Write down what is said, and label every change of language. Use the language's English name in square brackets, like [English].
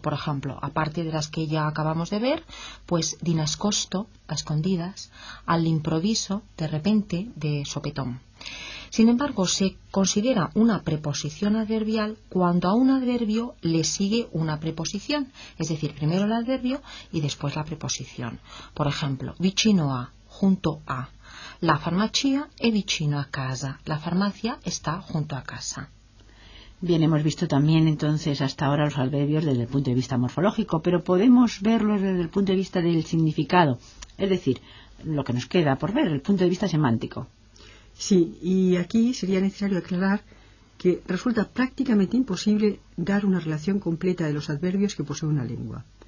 [Spanish] Por ejemplo, aparte de las que ya acabamos de ver, pues [Italian] di nascosto, [Spanish] a escondidas, [Italian] al improviso, [Spanish] de repente, de sopetón. Sin embargo, se considera una preposición adverbial cuando a un adverbio le sigue una preposición, es decir, primero el adverbio y después la preposición. Por ejemplo, vicino a, junto a. [Italian] La farmacia è vicino a casa. [Spanish] La farmacia está junto a casa. Bien, hemos visto también entonces hasta ahora los adverbios desde el punto de vista morfológico, pero podemos verlos desde el punto de vista del significado, es decir, lo que nos queda por ver, el punto de vista semántico. Sí, y aquí sería necesario aclarar que resulta prácticamente imposible dar una relación completa de los adverbios que posee una lengua.